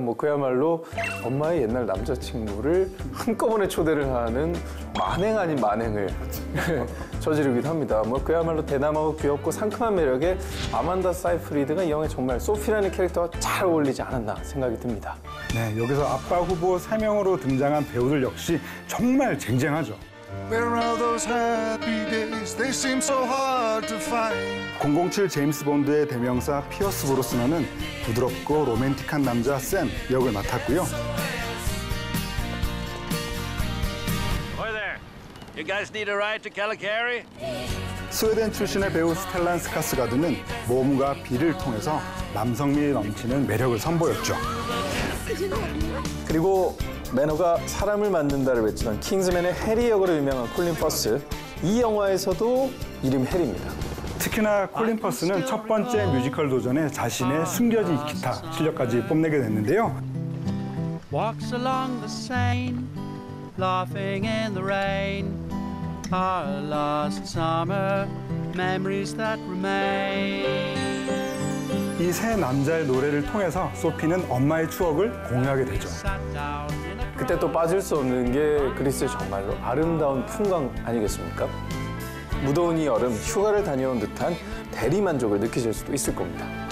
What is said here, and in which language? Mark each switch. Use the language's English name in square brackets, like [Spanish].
[Korean] 뭐 그야말로 엄마의 옛날 남자친구를 한꺼번에 초대를 하는 만행 아닌 만행을 저지르기도 합니다. 뭐 그야말로 대담하고 귀엽고 상큼한 매력에 아만다 사이프리드가 이 영화에 정말 소피라는 캐릭터가 잘 어울리지 않았나 생각이 듭니다. 네, 여기서 아빠 후보 3명으로 등장한 배우들 역시 정말 쟁쟁하죠. [English] Where are those happy days? They seem so hard to find. [Korean] 007 제임스 본드의 대명사 피어스 브로스너는 부드럽고 로맨틱한 남자 샘 역을 맡았고요. [English] Hey there. You guys need a ride to Calgary? [Korean] 스웨덴 출신의 배우 스텔란 스카스가드는 몸과 비를 통해서 남성미 넘치는 매력을 선보였죠. 그리고 매너가 사람을 만든다를 외치던 킹즈맨의 해리 역으로 유명한 콜린 퍼스. 이 영화에서도 이름 해리입니다. 특히나 콜린 퍼스는 첫 번째 뮤지컬 도전에 자신의 숨겨진 기타 실력까지 뽐내게 됐는데요. [English] Walks along the Seine, laughing in the rain. Our last summer, memories that remain. [Korean] 이 새 남자의 노래를 통해서 소피는 엄마의 추억을 공유하게 되죠. 그때 또 빠질 수 없는 게 그리스의 정말로 아름다운 풍광 아니겠습니까? 무더운 이 여름 휴가를 다녀온 듯한 대리만족을 느끼실 수도 있을 겁니다.